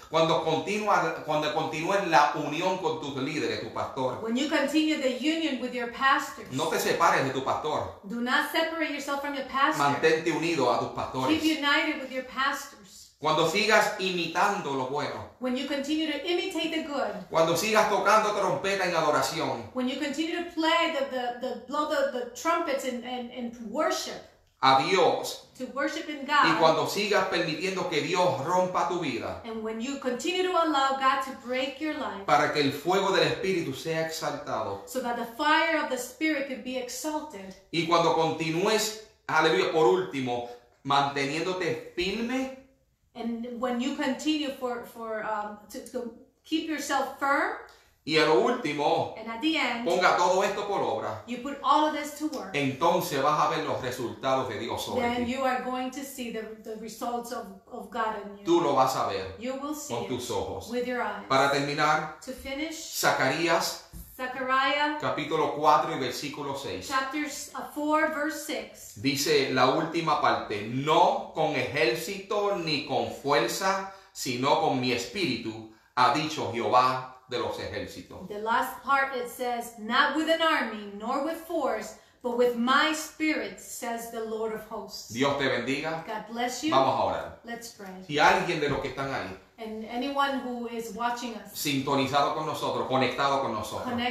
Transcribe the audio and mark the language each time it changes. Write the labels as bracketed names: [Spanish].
[Spanish] Cuando continúes la unión con tus líderes, tu pastor. [English] When you continue the union with your pastors. [Spanish] No te separes de tu pastor. [English] Do not separate yourself from your pastor. [Spanish] Mantente unido a tus pastores. [English] Keep united with your pastors. [Spanish] Cuando sigas imitando lo bueno. [English] When you continue to imitate the good. [Spanish] Cuando sigas tocando trompeta en adoración. [English] When you continue to play the blow the trumpets in worship. [Spanish] A Dios. [English] To worship in God. [Spanish] Y cuando sigas permitiendo que Dios rompa tu vida. [English] And when you continue to allow God to break your life. [Spanish] Para que el fuego del Espíritu sea exaltado. [English] So that the fire of the Spirit could be exalted. [Spanish] Y cuando continúes, aleluya, por último, manteniéndote firme. [English] And when you continue to keep yourself firm. [Spanish] Y a lo último. [English] And at the end. [Spanish] Ponga todo esto por obra. [English] You put all of this to work. [Spanish] Entonces vas a ver los resultados de Dios sobre [English] then [Spanish] ti. [English] Then you are going to see the results of God in you. [Spanish] Tú lo vas a ver. [English] You will see [Spanish] con tus ojos. [English] With your eyes. [Spanish] Para terminar. [English] To finish. [Spanish] Zacarías. [English] Zechariah. [Spanish] Capítulo 4 y versículo 6. [English] Chapter 4, verse 6. [Spanish] Dice la última parte. No con ejército ni con fuerza, sino con mi espíritu, ha dicho Jehová de los ejércitos. [English] The last part it says, not with an army nor with force, But with my spirit, says the Lord of hosts. [Spanish] Dios te bendiga. [English] God bless you. [Spanish] Vamos a orar. [English] Let's pray. [Spanish] Y alguien de los que están ahí. [English] And anyone who is watching us. [Spanish] Sintonizado con nosotros, conectado con nosotros.